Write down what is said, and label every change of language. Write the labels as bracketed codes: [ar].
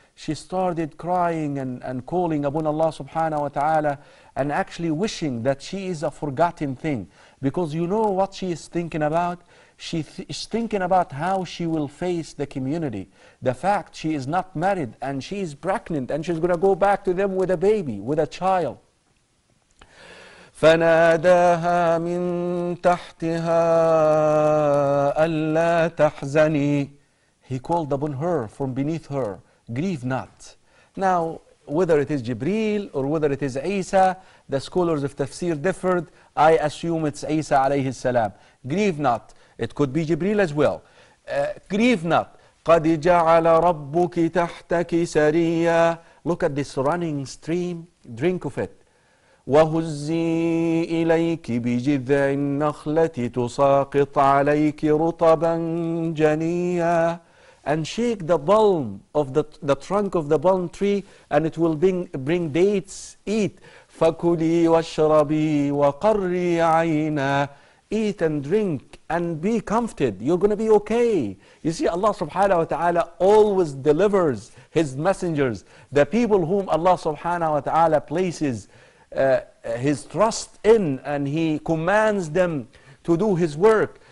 [en] She started crying and calling upon Allah subhanahu wa ta'ala and actually wishing that she is a forgotten thing. Because you know what she is thinking about? She is thinking about how she will face the community. The fact she is not married and she is pregnant and she's going to go back to them with a baby, with a child. [ar] فناداها من تحتها ألا تحزني [en] He called upon her from beneath her. Grieve not. Now, whether it is Jibreel or whether it is Isa, the scholars of tafsir differed. I assume it's Isa alayhi salam. Grieve not. It could be Jibreel as well. Grieve not. [ar] قد جعل ربك تحتك سريا [en] Look at this running stream. Drink of it. [ar] وهزي إليك بجذع النخلة تساقط عليك رطبا جنيا [en] And shake the balm of the trunk of the balm tree, and it will bring dates. Eat. [ar] فَكُلِي وَاشْرَبِي وَقَرِّي عَيْنَا [en] Eat and drink and be comforted. You're going to be okay. You see, Allah subhanahu wa ta'ala always delivers His messengers, the people whom Allah subhanahu wa ta'ala places His trust in, and He commands them to do His work.